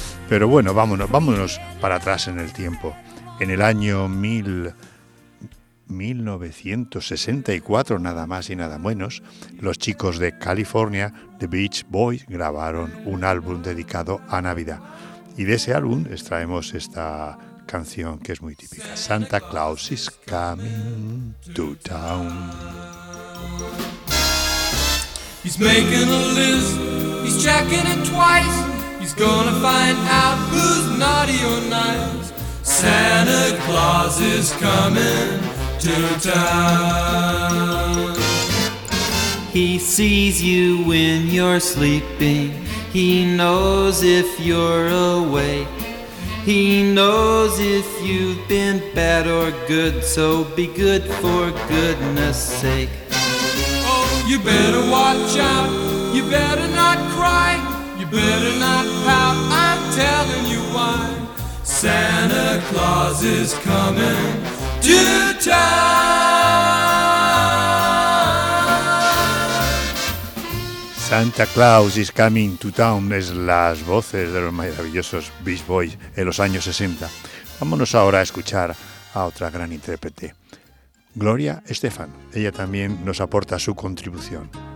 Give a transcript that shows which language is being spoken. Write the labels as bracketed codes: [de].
[es] Pero bueno, vámonos para atrás en el tiempo. En el año 1964, nada más y nada menos, los chicos de California, The Beach Boys, grabaron un álbum dedicado a Navidad. Y de ese álbum extraemos esta canción que es muy típica. [en] Santa Claus is coming to town. He's making a list, he's checking it twice. He's gonna find out who's naughty or nice. Santa Claus is coming to town. He sees you when you're sleeping. He knows if you're awake. He knows if you've been bad or good. So be good for goodness sake. You better watch out, you better not cry, you better not pout, I'm telling you why. Santa Claus is coming to town. [es] Santa Claus is coming to town es las voces de los maravillosos Beach Boys en los años 60. Vámonos ahora a escuchar a otra gran intérprete, Gloria Estefan. Ella también nos aporta su contribución.